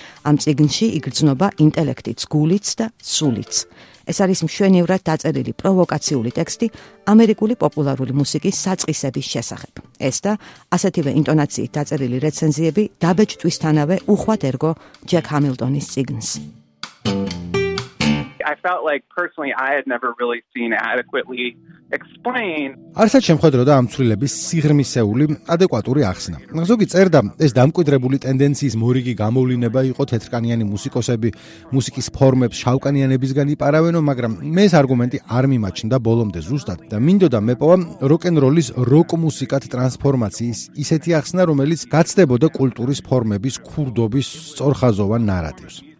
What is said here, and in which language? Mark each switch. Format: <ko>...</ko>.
<ka>ამ წიგნში იგრძნობა ინტელექტიც, გულიც და სულიც. ეს არის მშვენივრად დაწერილი პროვოკაციული ტექსტი ამერიკული პოპულარული მუსიკის საწყისების შესახებ. ეს და ასეთივე ინტონაციით დაწერილი რეცენზიები დაბეჭდვისთანავე უხვად ერგო ჯეკ ჰამილტონის წიგნს.</ka> <en>I felt like personally I had never really seen adequately explained.</en> <ka>არსა შეხედრო და ამ ცვლილების სიღრმისეული ადეკვატური ახსნა. ზოგი წერდა, ეს დამკვიდრებული ტენდენციის მორიგი გამოვლინება იყო, თეთრკანიანი მუსიკოსები მუსიკის ფორმებს შავკანიანებისგან იპარავენო, მაგრამ მე ეს არგუმენტი არ მიმაჩნდა ბოლომდე ზუსტად და მინდოდა მეპოვა როკ-ენ-როლის როკ მუსიკად ტრანსფორმაციის ისეთი ახსნა, რომელიც გაცდებოდა კულტურის ფორმების ქურდობის სწორხაზოვან ნარატივს.</ka>